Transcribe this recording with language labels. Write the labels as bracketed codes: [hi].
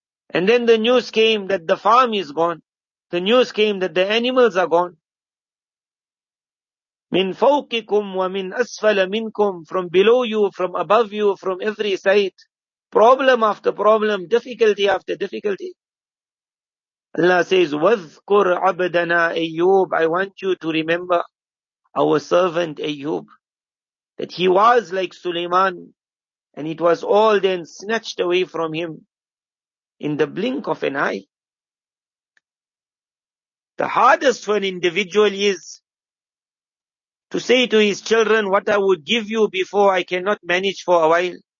[en] And then the news came that the farm is gone. The news came that the animals are gone. [ar] Min fawqikum wa min asfala minkum. [en] From below you, from above you, from every side. Problem after problem, difficulty after difficulty. Allah says, [ar] وَذْكُرْ عَبْدَنَا أَيُّوب. [en] I want you to remember our servant Ayyub. That he was like Sulaiman, and it was all then snatched away from him in the blink of an eye. The hardest for an individual is to say to his children, what I would give you before I cannot manage for a while.